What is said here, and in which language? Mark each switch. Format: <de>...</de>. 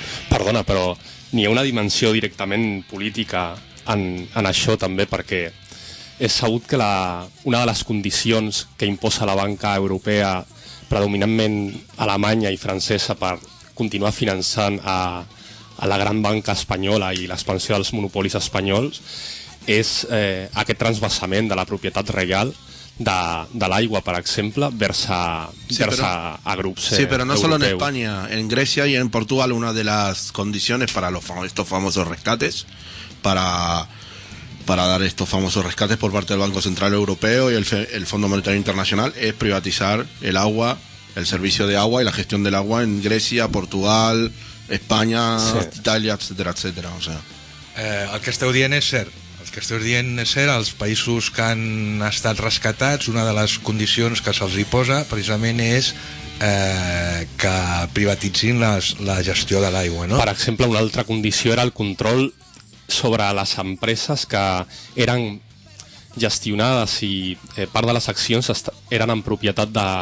<ca>Perdona, però n'hi ha una dimensió directament política en això també, perquè és sabut que una de les condicions que imposa la banca europea, predominantment alemanya i francesa, per continuar finançant a la gran banca espanyola i l'expansió dels monopolis espanyols, és aquest transvasament de la propietat reial de l'aigua, per exemple, vers a grups</ca> <es>europeus. Sí, però no solo en España, en Grecia y en Portugal, una de las condiciones para estos famosos rescates, para dar estos famosos rescates por parte del Banco Central Europeo y el Fondo Monetario Internacional, es privatizar el agua, el servicio de agua y la gestión del agua en Grecia, Portugal, España, sí. Italia, etcétera, etcétera. O sea,</es> <ca>el que esteu dient és cert. Que esteu dient és cert, els països que han estat rescatats, una de les condicions que se'ls hi posa precisament és que privatitzin la gestió de l'aigua, no? Per exemple, una altra condició era el control sobre les empreses que eren gestionades i part de les accions eren en propietat</ca>